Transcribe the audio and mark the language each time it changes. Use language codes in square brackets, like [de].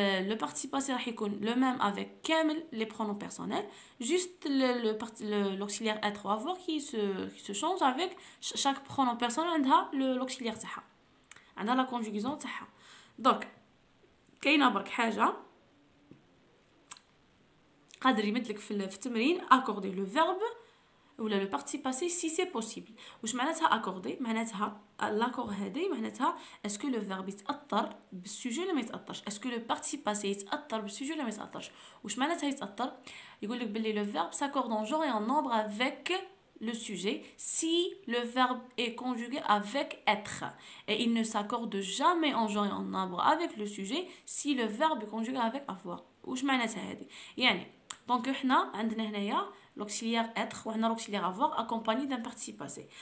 [fr] Le participe passé va être le même avec [ar] كامل [fr] les pronoms personnels, juste l'auxiliaire être ou avoir qui se change avec chaque pronom personnel [ar] عندها [fr] l'auxiliaire [ar] تاعها. عندها [fr] la conjugaison [ar] تاعها. [fr] Donc [ar] كاينه برك حاجه قادر يمدلك في التمرين [fr] accorder le verbe ou le participe passé si c'est possible. [ar] واش معناتها [fr] accorder [ar] معناتها [fr] l'accord [ar] هذه معناتها [fr] est-ce que le verbe [ar] يتأثر بالسوجي ولا ما يتأثرش, [fr] est-ce que le participe passé [ar] يتأثر بالسوجي ولا ما يتأثرش. واش معناتها يتأثر, يقول لك باللي [fr] le verbe s'accorde en genre et en nombre avec le sujet si le verbe est conjugué avec être, et il ne s'accorde jamais en genre et en nombre avec le sujet si le verbe est conjugué avec avoir. [ar] واش معناتها هذه يعني [fr] donc [ar] حنا عندنا هنايا [fr] l'auxiliaire être ou l'auxiliaire avoir accompagné d'un participe passé.